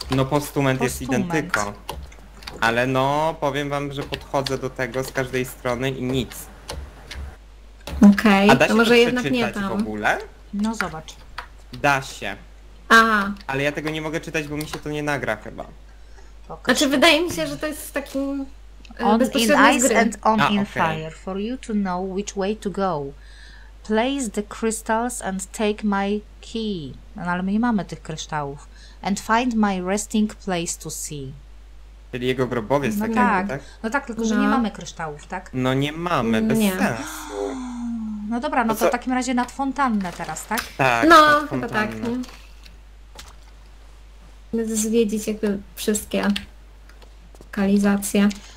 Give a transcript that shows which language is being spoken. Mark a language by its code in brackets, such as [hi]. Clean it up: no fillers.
[pl] Postument jest identyko. Ale no, powiem wam, że podchodzę do tego z każdej strony i nic. Okej, okay, to może to jednak nie tam. W ogóle? No zobacz. Da się. Aha. Ale ja tego nie mogę czytać, bo mi się to nie nagra chyba. Znaczy, wydaje mi się, że to jest taki... [en] On in ice and on in fire, for you to know which way to go. Place the crystals and take my key. [pl] No ale my nie mamy tych kryształów. [en] And find my resting place to see. [pl] Czyli jego grobowiec no taki, tak. Tak? No tak, tylko że nie mamy kryształów, tak? No nie mamy, bez sensu. No dobra, no to w takim razie nad fontannę teraz, tak? Tak, no, chyba tak, nie? Będę zwiedzić jakby wszystkie lokalizacje.